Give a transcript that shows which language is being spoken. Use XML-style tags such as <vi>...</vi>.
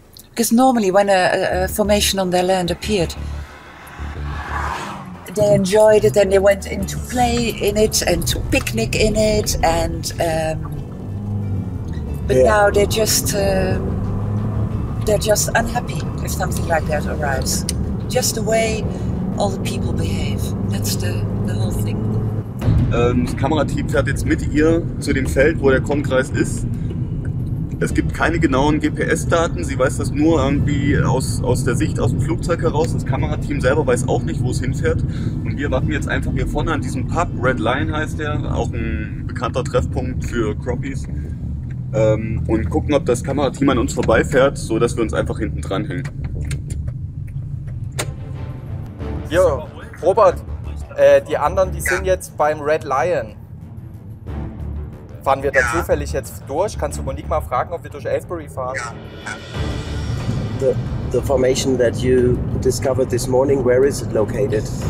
<en>Because normally when a formation on their land appeared, they enjoyed it and they went in to play in it and to picnic in it. And but yeah. Now they're just unhappy if something like that arrives. Just the way all the people behave. That's the whole thing.</en> <de>Das Kamerateam fährt jetzt mit ihr zu dem Feld, wo der Kornkreis ist. Es gibt keine genauen GPS-Daten, sie weiß das nur irgendwie aus der Sicht aus dem Flugzeug heraus. Das Kamerateam selber weiß auch nicht, wo es hinfährt. Und wir warten jetzt einfach hier vorne an diesem Pub, Red Lion heißt der, auch ein bekannter Treffpunkt für Crappies. Und gucken, ob das Kamerateam an uns vorbeifährt, sodass wir uns einfach hinten dran hängen. Jo, Robert, die anderen, die sind jetzt beim Red Lion. Fahren wir da zufällig jetzt durch? Kannst du Monique mal fragen, ob wir durch Aylesbury fahren?</de> <en>The formation that you discovered this morning, where is it located?</en>